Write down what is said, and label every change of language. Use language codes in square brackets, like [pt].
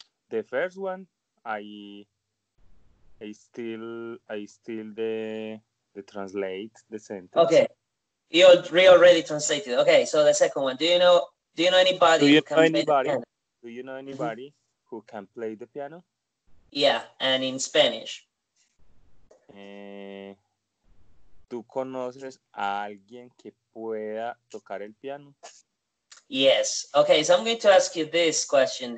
[en] The first one, I still the translate the sentence. Okay, you already translated. Okay, so the second one. Do you know anybody who can play the piano? Yeah, and in Spanish. [es] ¿Tú conoces a alguien que pueda tocar el piano? [en] Yes. Okay, so I'm going to ask you this question.